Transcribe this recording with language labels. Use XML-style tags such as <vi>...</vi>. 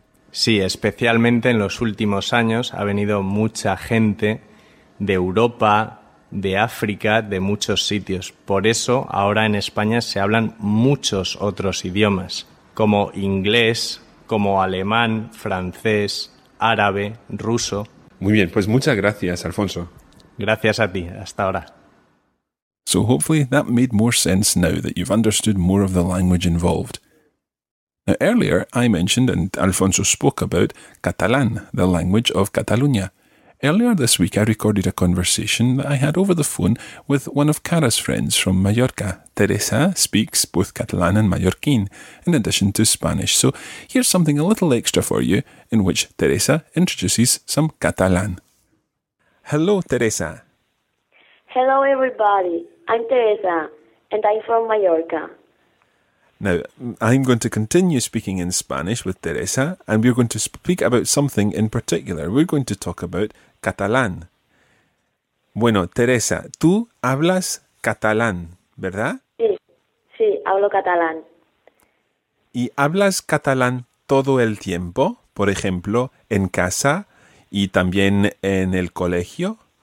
<es>Sí, especialmente en los últimos años ha venido mucha gente de Europa, de África, de muchos sitios. Por eso ahora en España se hablan muchos otros idiomas, como inglés, como alemán, francés, árabe, ruso. Muy bien, pues muchas gracias, Alfonso. Gracias a ti. Hasta ahora.</es> <en>So hopefully that made more sense now that you've understood more of the language involved. Now, earlier, I mentioned, and Alfonso spoke about, Catalan, the language of Catalunya. Earlier this week, I recorded a conversation that I had over the phone with one of Cara's friends from Mallorca. Teresa speaks both Catalan and Mallorquín, in addition to Spanish. So here's something a little extra for you, in which Teresa introduces some Catalan. Hello, Teresa. Hello, everybody. I'm Teresa, and I'm from Mallorca. Now, I'm going to continue speaking in Spanish with Teresa, and we're going to speak about something in particular. We're going to talk about catalán.</en> <es>Bueno, Teresa, tú hablas catalán, ¿verdad? Sí, hablo catalán. ¿Y hablas catalán todo el tiempo? Por ejemplo, en casa y también en el colegio.</es>